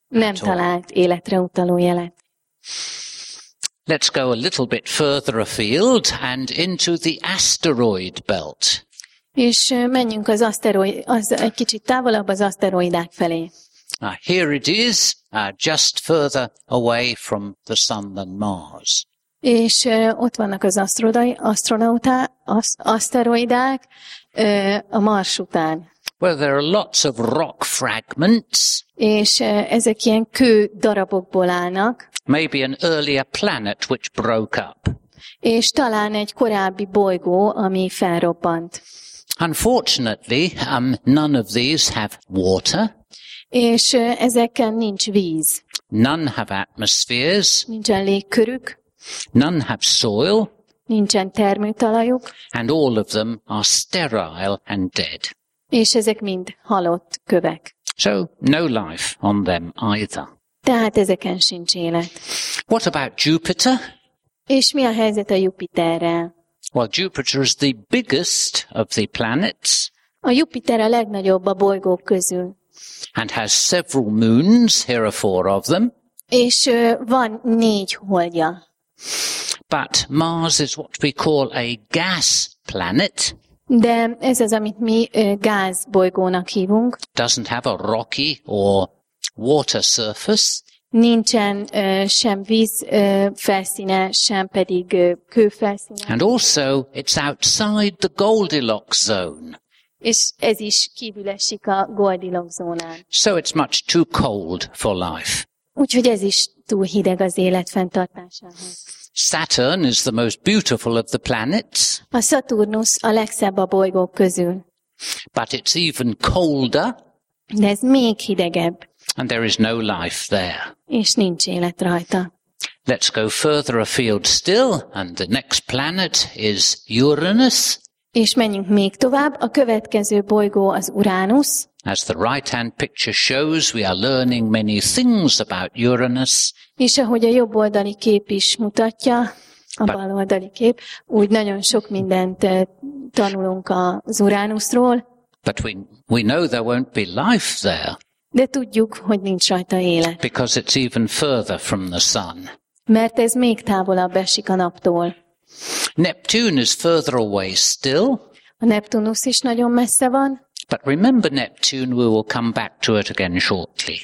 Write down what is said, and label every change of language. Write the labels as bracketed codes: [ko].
[hu] Nem talált életre utaló jelet. [en] Let's go a little bit further afield and into the asteroid belt. [hu] És menjünk egy kicsit távolabb az aszteroidák felé. [en] Now, here it is, just further away from the Sun than Mars. [hu] És ott vannak az aszteroidák a Mars után. [en] Well, there are lots of rock fragments. [hu] És ezek ilyen kő darabokból állnak. [en] Maybe an earlier planet which broke up. [hu] És talán egy korábbi bolygó, ami felrobbant. [en] Unfortunately, none of these have water. [hu] És ezeken nincs víz. [en] None have atmospheres. [hu] Nincsen légkörük. [en] None have soil. [hu] Nincsen termőtalajuk. [en] And all of them are sterile and dead. [hu] És ezek mind halott kövek. [en] So, no life on them either. [hu] Tehát ezeken sincs élet. [en] What about Jupiter? [hu] És mi a helyzet a Jupiterrel? [en] Well, Jupiter is the biggest of the planets. [hu] A Jupiter a legnagyobb a bolygók közül. [en] And has several moons, here are four of them. [hu] És van négy holdja. [en] But Mars is what we call a gas planet. [hu] De ez az, amit mi gázbolygónak hívunk. [en] Doesn't have a rocky or water surface. [hu] Nincsen sem víz felszíne, sem pedig kő felszíne. [en] And also it's outside the Goldilocks zone. [hu] És ez is kívül esik a Goldilocks zónán. [en] So it's much too cold for life. [hu] Úgyhogy ez is túl hideg az élet fenntartásához. [en] Saturn is the most beautiful of the planets. [hu] A Saturnus a legszebb a bolygók közül. [en] But it's even colder. [hu] De ez még hidegebb. [en] And there is no life there. [hu] És nincs élet rajta. [en] Let's go further afield still, and the next planet is Uranus. [hu] És menjünk még tovább, a következő bolygó az Uranus. [en] As the right-hand picture shows, we are learning many things about Uranus. [hu] És ahogy a jobb oldali kép is mutatja, a bal oldali kép, úgy nagyon sok mindent tanulunk az Uranusról. [en] But we know there won't be life there. [hu] De tudjuk, hogy nincs rajta élet. [en] Because it's even further from the sun. [hu] Mert ez még távolabb esik a naptól. [en] Neptune is further away still. [hu] A Neptunusz is nagyon messze van. [en] But remember Neptune, we will come back to it again shortly.